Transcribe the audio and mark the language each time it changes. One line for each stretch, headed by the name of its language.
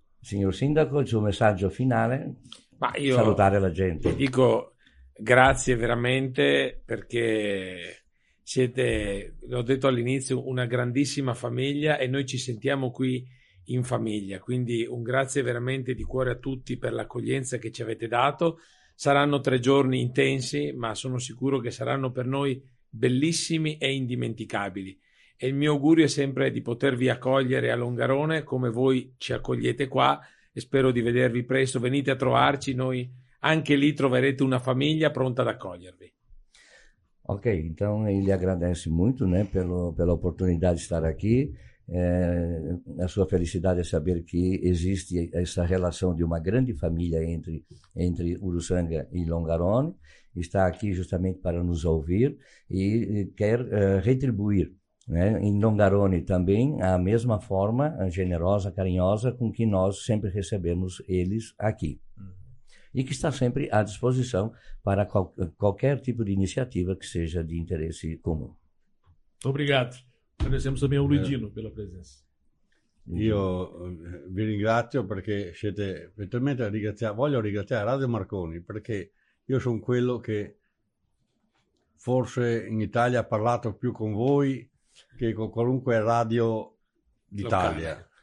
Portuguese: Senhor síndaco, seu mensagem final é salutar a gente.
Italian: Dico. Grazie veramente, perché siete, l'ho detto all'inizio, una grandissima famiglia e noi ci sentiamo qui in famiglia. Quindi un grazie veramente di cuore a tutti per l'accoglienza che ci avete dato. Saranno 3 giorni intensi, ma sono sicuro che saranno per noi bellissimi e indimenticabili. E il mio augurio è sempre di potervi accogliere a Longarone come voi ci accogliete qua e spero di vedervi presto. Venite a trovarci, noi anche lì troverete una famiglia pronta ad accogliervi.
Portuguese: Ok, então ele agradece muito, né, pela oportunidade de estar aqui. A sua felicidade é saber que existe essa relação de uma grande família entre Urussanga e Longarone. Está aqui justamente para nos ouvir e quer retribuir, né, em Longarone também, a mesma forma generosa, carinhosa com que nós sempre recebemos eles aqui. E que está sempre à disposição para qualquer tipo de iniciativa que seja de interesse comum. Obrigado. Agradecemos também ao Luidino pela presença. Eu
Italian: vi ringrazio porque siete veramente ringraziati. Voglio ringraziare Radio Marconi perché io sono quello che forse in Italia ha parlato più con voi che con qualunque radio d'Italia.